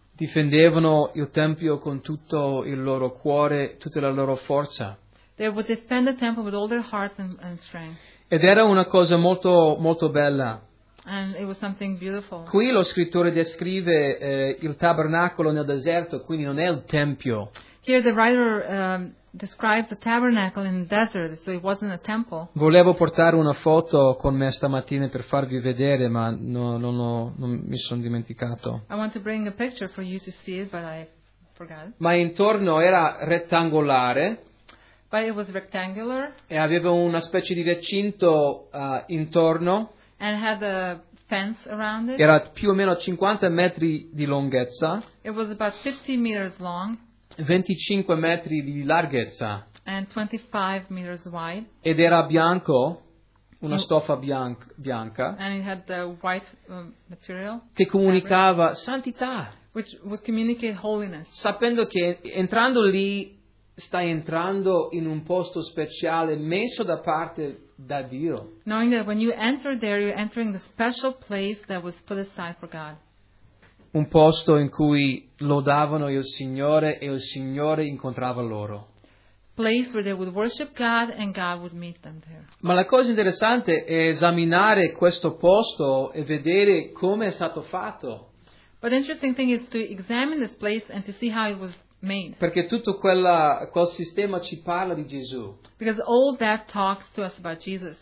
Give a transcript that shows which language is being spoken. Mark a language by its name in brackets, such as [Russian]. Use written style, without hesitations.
[Italian] Difendevano il tempio con tutto il loro cuore, tutta la loro forza. [English] They would defend the temple with all their hearts and strength. [Italian] Ed era una cosa molto molto bella. [English] And it was something beautiful. [Italian] Qui lo scrittore descrive il tabernacolo nel deserto, quindi non è il tempio. [English] Here the writer describes the tabernacle in the desert, so it wasn't a temple. [Italian] Volevo portare una foto con me stamattina per farvi vedere, ma non mi sono dimenticato. [English] I want to bring a picture for you to see it, but I forgot. [Italian] Ma intorno era rettangolare. [English] But it was rectangular. [Italian] E aveva una specie di recinto intorno. [English] And it had a fence around it. [Italian] Era più o meno 50 metri di lunghezza. [English] It was about 50 meters long. [Italian] 25 metri di larghezza. [English] And 25 meters wide. [Italian] Ed era bianco, una stoffa bianca. [English] And it had the white material. [Italian] Che comunicava [English] fabric, [Italian] santità. [English] Which would communicate holiness. [Italian] Sapendo che entrando lì stai entrando in un posto speciale messo da parte da Dio. [English] Knowing that when you enter there, you're entering the special place that was put aside for God. [Italian] Un posto in cui lodavano il Signore e il Signore incontrava loro. [English] Place where they would worship God and God would meet them there. [Italian] Ma la cosa interessante è esaminare questo posto e vedere come è stato fatto. [English] But the interesting thing is to examine this place and to see how it was made. [Italian] Perché tutto quel sistema ci parla di Gesù. [English] Because all that talks to us about Jesus.